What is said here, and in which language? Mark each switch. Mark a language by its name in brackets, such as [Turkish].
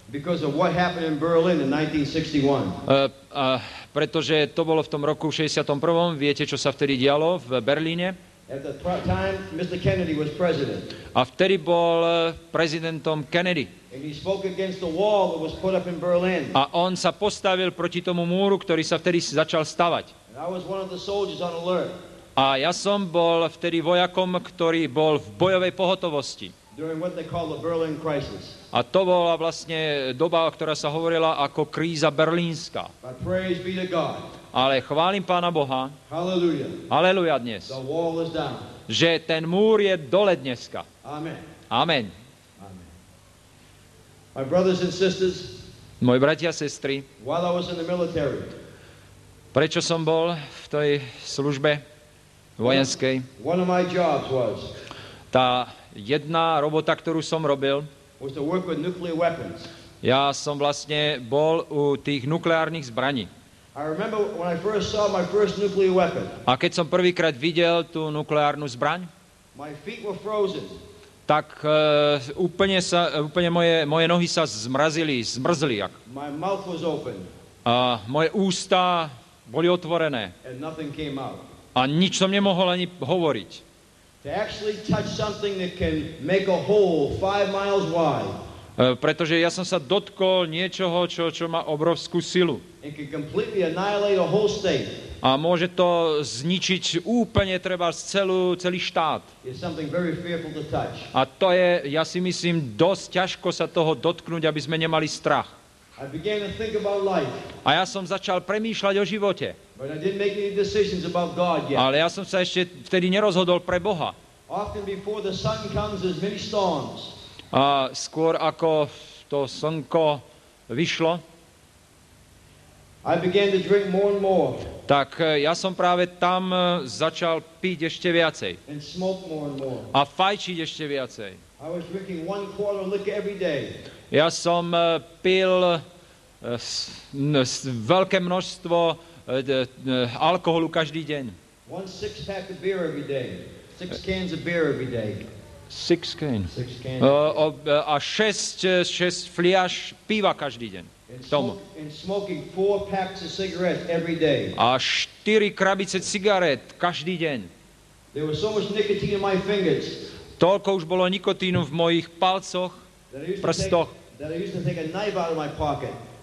[English] Because of what happened in Berlin in 1961. [Slovak] Pretože to bolo v tom roku 61. Viete, čo sa vtedy dialo v Berlíne? [English] At the time, Mr. Kennedy was president. [Slovak] A vtedy bol prezidentom Kennedy. [English] And he spoke against the wall that was put up in Berlin. [Slovak] A on sa postavil proti tomu múru, ktorý sa vtedy začal stavať. [English] And I was one of the soldiers on alert. [Slovak] A ja som bol vtedy vojakom, ktorý bol v bojovej pohotovosti. [English] During what they call the Berlin crisis. [Slovak] A to bola vlastne doba, ktorá sa hovorila ako kríza berlínska. [English] But praise be to God. [Slovak] Ale chválim Pána Boha. [English] Hallelujah. [Slovak] Dnes. [English] The wall is down. [Slovak] Že ten múr je dole dneska. Amen. [English] My brothers and sisters. [Slovak] Moji bratia a sestry. [English] While I was in the military. [Slovak] Prečo som bol v tej službe vojenskej? [English] One of my jobs was. [Slovak] Tá jedna robota, ktorú som robil, [English] was to work with nuclear weapons. [Slovak] Ja som vlastne bol u tých nukleárnych zbraní. [English] I remember when I first saw my first nuclear weapon. [Slovak] A keď som prvýkrát videl tú nukleárnu zbraň, [English] my feet were frozen. [Slovak] Tak úplne moje nohy sa zmrzli. [English] My mouth was open. [Slovak] A moje ústa boli otvorené. [English] And nothing came out. [Slovak] A nič som nemohol ani hovoriť. [English] To actually touch something that can make a hole 5 miles wide. [Slovak] Pretože ja som sa dotkol niečoho, čo má obrovskú silu. [English] It can completely annihilate a whole state. [Slovak] A môže to zničiť úplne treba celý štát. [English] It's something very fearful to touch. [Slovak] A to je, ja si myslím, dosť ťažko sa toho dotknúť, aby sme nemali strach. [English] I began to think about life. [Slovak] A ja som začal premýšľať o živote. [English] But I didn't make any decisions about God yet. [Slovak] Ale ja som sa ešte vtedy nerozhodol pre Boha. [English] Often before the sun comes, there's many storms. [Slovak] A skôr ako to slnko vyšlo, [English] I began to drink more and more. [Slovak] Tak ja som práve tam začal piť ešte viacej. [English] And smoke more and more. [Slovak] A fajčiť ešte viacej. [English] I was drinking one quart of liquor every day. [Slovak] Ja som pil veľké množstvo alkoholu každý deň. [English] One six pack of beer every day. Six cans of beer every day. Six cans. [Slovak] A šesť fliaš piva každý deň. [English] And smoking four packs of cigarettes every day. [Slovak] A štyri krabice cigaret každý deň. [English] There was so much nicotine in my fingers. [Slovak] Toľko už bolo nikotínu v mojich palcoch, prstoch. [English] That I used to take a knife out of my pocket.